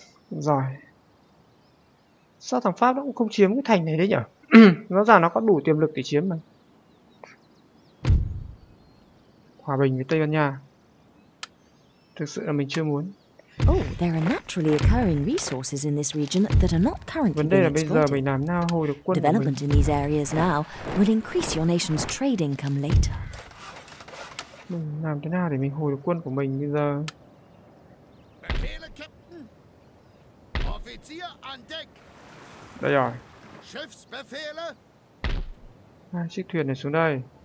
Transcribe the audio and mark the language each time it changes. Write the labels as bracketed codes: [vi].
[vi] Rồi. Sao thằng Pháp nó cũng không chiếm cái thành này đấy nhở? Rõ ràng nó có đủ tiềm lực để chiếm mà. Hòa bình với Tây Ban Nha. Thực sự là mình chưa muốn. [en] Oh, there are naturally occurring resources in this region that are not currently being exploited. [vi] Vấn đề là bây giờ mình làm nào hồi được quân của mình. [en] Development in these areas now will increase your nation's trade income later. [vi] Mình làm thế nào để mình hồi được quân của mình bây giờ? [de] Befehle, Captain. Offizier an deck. [vi] Đây rồi. [de] Schiffsbefehle. [vi] Mang chiếc thuyền này xuống đây.